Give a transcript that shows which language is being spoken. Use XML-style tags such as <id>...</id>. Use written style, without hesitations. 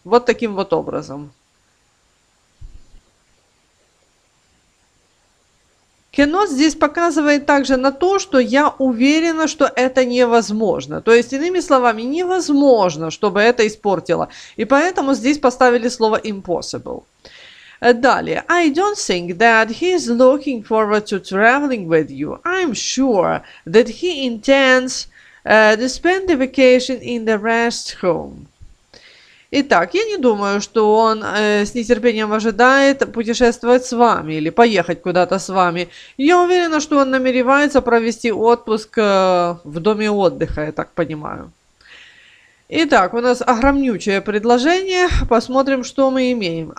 <ru>Вот таким вот образом. Cannot здесь показывает также на то, что я уверена, что это невозможно. То есть, иными словами, невозможно, чтобы это испортило. И поэтому здесь поставили слово impossible. Далее.</ru> <en>I don't think that he is looking forward to traveling with you. I'm sure that he intends to spend the vacation in the rest home.</en> <ru>Итак, я не думаю, что он с нетерпением ожидает путешествовать с вами или поехать куда-то с вами. Я уверена, что он намеревается провести отпуск в доме отдыха, я так понимаю. Итак, у нас огромнючее предложение. Посмотрим, что мы имеем.</ru>